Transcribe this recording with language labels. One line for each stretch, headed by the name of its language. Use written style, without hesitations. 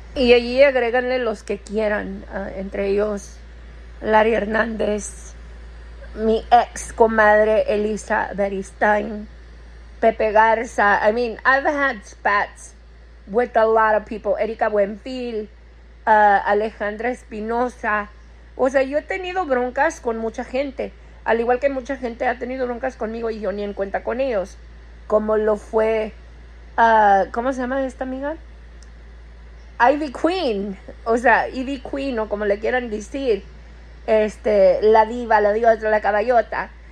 Spanish: Y allí agréganle los que quieran, entre ellos Larry Hernández, mi ex comadre Elisa Beristain, Pepe Garza.
English: I mean, I've had spats with a lot of people.
Spanish: Erika Buenfil, Alejandra Espinosa. O sea, yo he tenido broncas con mucha gente, al igual que mucha gente ha tenido broncas conmigo y yo ni en cuenta con ellos. Como lo fue, ¿cómo se llama esta amiga? Ivy Queen, o sea, Ivy Queen, o como le quieran decir, la diva, la diosa, la caballota.